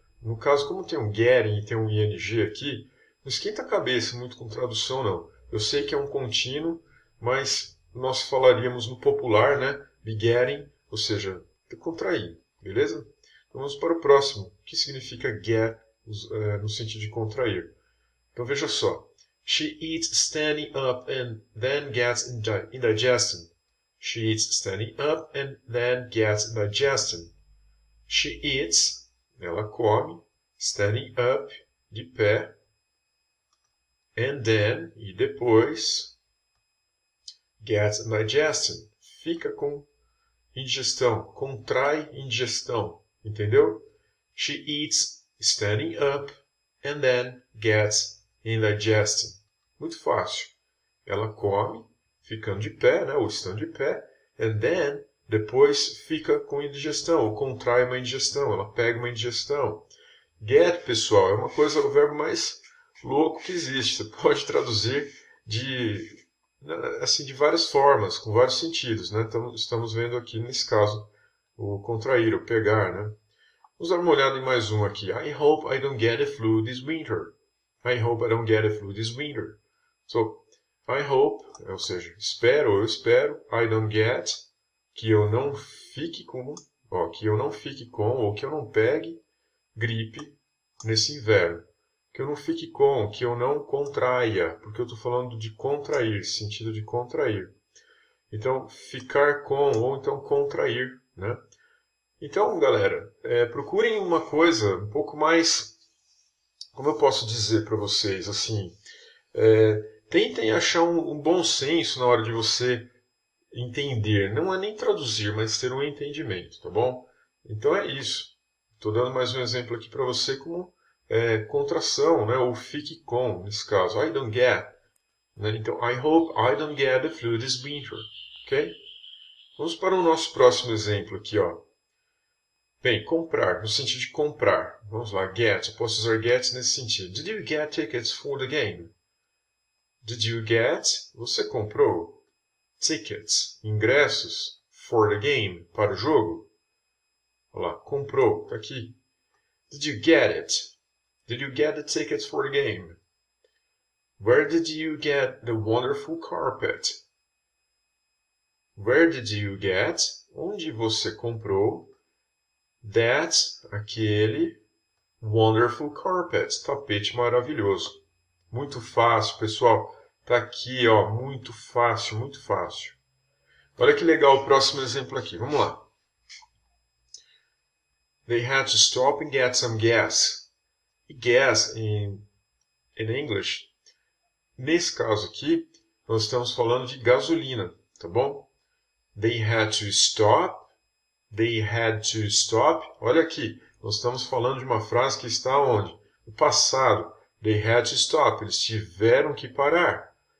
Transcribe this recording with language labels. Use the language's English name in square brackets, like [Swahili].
[Portuguese] No caso, como tem um getting e tem um ing aqui, não esquenta a cabeça muito com tradução, não. Eu sei que é um contínuo, mas nós falaríamos no popular, né? [English] Be getting, [Portuguese] ou seja, ter contraído, beleza? Então, vamos para o próximo. O que significa get no sentido de contrair? Então, veja só. [English] She eats standing up and then gets indigestion. She eats standing up and then gets indigestion. She eats, [Portuguese] ela come, [English] standing up, [Portuguese] de pé, [English] and then, [Portuguese] e depois, [English] gets indigestion. [Portuguese] Fica com indigestão, contrai indigestão, entendeu? [English] She eats standing up and then gets indigestion. [Portuguese] Muito fácil. Ela come, ficando de pé, né, ou estando de pé. [English] And then, [Portuguese] depois, fica com indigestão, ou contrai uma indigestão, ela pega uma indigestão. Get, pessoal, é uma coisa, o verbo mais louco que existe. Você pode traduzir de várias formas, com vários sentidos, né? Então, estamos vendo aqui, nesse caso, o contrair, o pegar, né? Vamos dar uma olhada em mais um aqui. [English] I hope I don't get a flu this winter. I hope I don't get a flu this winter. So, I hope, [Portuguese] ou seja, espero, eu espero, [English] I don't get, [Portuguese] que eu não fique com, ó, que eu não fique com, ou que eu não pegue gripe nesse inverno. Que eu não fique com, que eu não contraia, porque eu estou falando de contrair, sentido de contrair. Então, ficar com, ou então contrair, né? Então, galera, procurem uma coisa um pouco mais, como eu posso dizer para vocês, assim, tentem achar um bom senso na hora de você entender. Não é nem traduzir, mas ter um entendimento, tá bom? Então é isso. Estou dando mais um exemplo aqui para você como contração, né? Ou fique com, nesse caso. [English] I don't get. [Portuguese] Né? Então, [English] I hope I don't get the flu this winter. Ok? [Portuguese] Vamos para o nosso próximo exemplo aqui, ó. Bem, comprar, no sentido de comprar. Vamos lá, get. Eu posso usar get nesse sentido. [English] Did you get tickets for the game? Did you get? [Portuguese] Você comprou tickets, ingressos [English] for the game, [Portuguese] para o jogo? Olha lá, comprou, tá aqui. [English] Did you get it? Did you get the tickets for the game? Where did you get the wonderful carpet? Where did you get? [Portuguese] Onde você comprou that, aquele [English] wonderful carpet, [Portuguese] tapete maravilhoso. Muito fácil, pessoal. Tá aqui, ó, muito fácil, muito fácil. Olha que legal o próximo exemplo aqui. Vamos lá. [English] They had to stop and get some gas. guess in English. [Portuguese] Nesse caso aqui, nós estamos falando de gasolina, tá bom? [English] They had to stop. They had to stop. [Portuguese] Olha aqui, nós estamos falando de uma frase que está onde? No passado. [English] They had to stop. [Portuguese] Eles tiveram que parar.